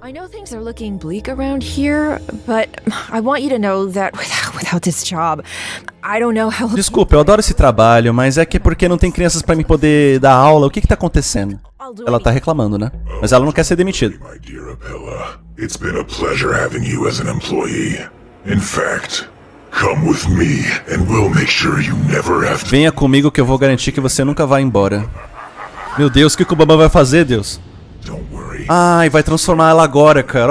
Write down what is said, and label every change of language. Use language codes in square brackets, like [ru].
[en] I know things are looking bleak around here, but I want you to know that without this job, I don't know how. [pt] Desculpa, eu adoro esse trabalho, mas é que porque não tem crianças para me poder dar aula. O que que tá acontecendo? Ela tá reclamando, né? Mas ela não quer ser demitida. [en] It's been a pleasure having you as an employee. In fact, come with me and we'll make sure you never have to. [pt] Venha comigo que eu vou garantir que você nunca vai embora. Meu Deus, o que o Bamba vai fazer, Deus? Ai, vai transformar ela agora, cara.